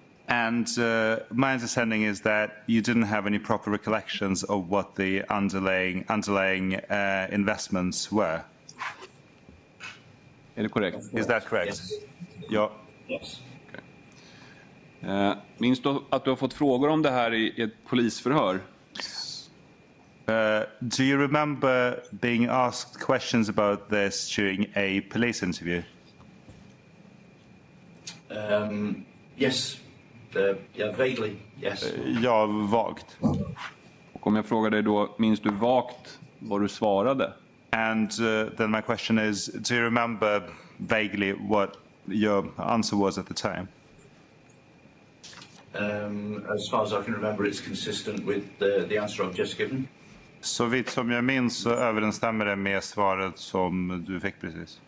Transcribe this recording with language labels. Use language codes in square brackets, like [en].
[en] And my understanding is that you didn't have any proper recollections of what the underlying investments were. [sv] Är det korrekt? [en] Is that correct? Yes. [sv] Ja. [en] Yes. Okay. [sv] Minns du att du har fått frågor om det här i ett polisförhör? [en] Do you remember being asked questions about this during a police interview? Yes. Vaguely, yes. [sv] Ja, vagt. Och om jag frågar dig då, minns du vagt vad du svarade? [en] And then my question is, do you remember vaguely what your answer was at the time? As far as I can remember, it's consistent with the answer I've just given. [sv] Så vitt som jag minns så överensstämmer det med svaret som du fick precis.